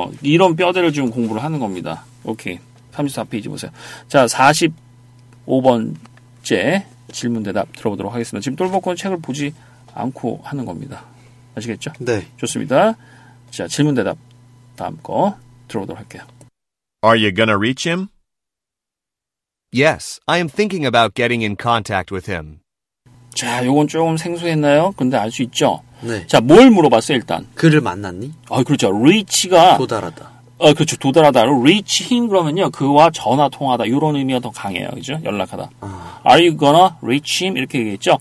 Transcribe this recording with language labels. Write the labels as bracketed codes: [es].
[ko] 이런 뼈대를 지금 공부를 하는 겁니다. 오케이. 34페이지 보세요. 자, 45번째 질문 대답 들어보도록 하겠습니다. 지금 똘벅고는 책을 보지 않고 하는 겁니다. 아시겠죠? 네. 좋습니다. 자, 질문 대답 다음 거 들어보도록 할게요. [en] Are you gonna reach him? Yes, I am thinking about getting in contact with him. [ko] 자, 이건 조금 생소했나요? 근데 알 수 있죠? 네. 자, 뭘 물어봤어요, 일단? 그를 만났니? 그렇죠. reach가 도달하다. 그렇죠. 도달하다. reach him 그러면요. 그와 전화 통하다. 이런 의미가 더 강해요. 그죠? 연락하다. 아. [en] Are you gonna reach him? [ko] 이렇게 얘기했죠?